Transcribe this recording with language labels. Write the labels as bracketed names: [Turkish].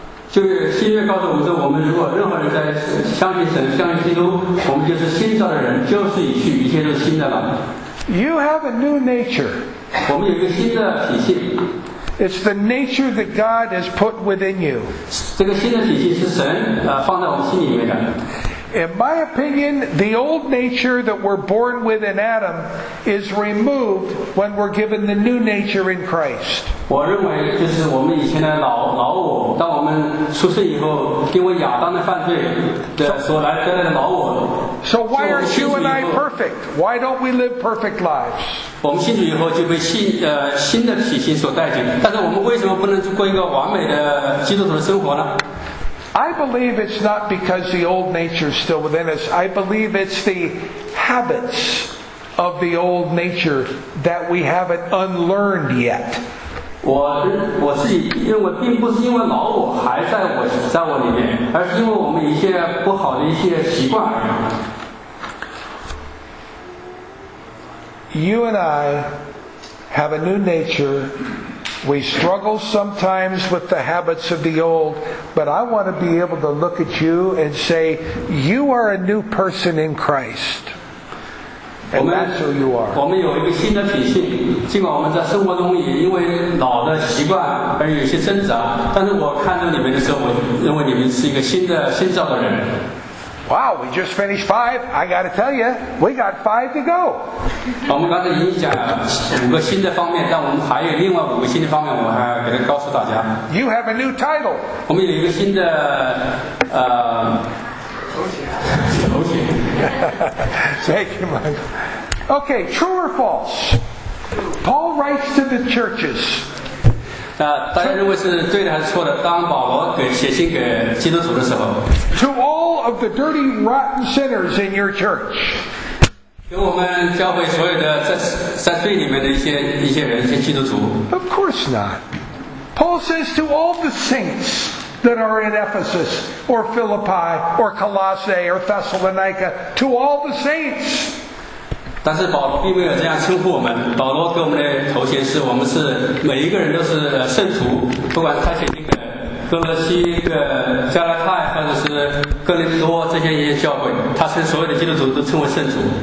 [Chinese] 就新约告诉我们说，我们如果任何人在相信神、相信基督，我们就是新造的人，旧事已去，一切都是新的了。 [English] You have a new nature. [Chinese] 我们有一个新的体系。 [English] It's the nature that God has put within you. [Chinese] 这个新的体系是神放在我们心里面的。 [English] In my opinion, the old nature that we're born with in Adam is removed when we're given the new nature in Christ. [Chinese] 我认为就是我们以前的老我，当我们出生以后，因为亚当的犯罪的所来得来的老我。 [English] So why are you and I perfect? Why don't we live perfect lives? [Chinese] 我们信主以后就被新的体系所带进，但是我们为什么不能过一个完美的基督徒的生活呢？ [English] I believe it's not because the old nature is still within us. I believe it's the habits of the old nature that we haven't unlearned yet. [Chinese] 我自己因为并不是因为老我还在我里面，而是因为我们一些不好的一些习惯。 [English] You and I have a new nature. We struggle sometimes with the habits of the old, but I want to be able to look at you and say, you are a new person in Christ. And that's who you are. [Chinese] 我们有一个新的体系，尽管我们在生活中也因为老的习惯而有些挣扎，但是我看到你们的时候，我认为你们是一个新造的人。 [English] Wow, we just finished five. I got to tell you, we got five to go. [Chinese] 我们刚才已经讲五个新的方面，但我们还有另外五个新的方面，我还要给他告诉大家。 [English] You have a new title. [Chinese] 我们有一个新的头衔。 [English] Thank you, Michael. Okay, true or false? Paul writes to the churches. [Chinese] 大家认为是对的还是错的？当保罗写信给基督徒的时候。 [English] To all. Of the dirty, rotten sinners in your church. [Chinese] 给我们教会所有的在罪里面的一些人，一些基督徒。 [English] Of course not. Paul says to all the saints that are in Ephesus or Philippi or Colossae or Thessalonica, to all the saints. [Chinese] 但是保罗并没有这样称呼我们。保罗给我们的头衔是我们是每一个人都是圣徒，不管他写信给。哥罗西、加拉太或者是哥林多这些一些教会，他称所有的基督徒都称为圣徒。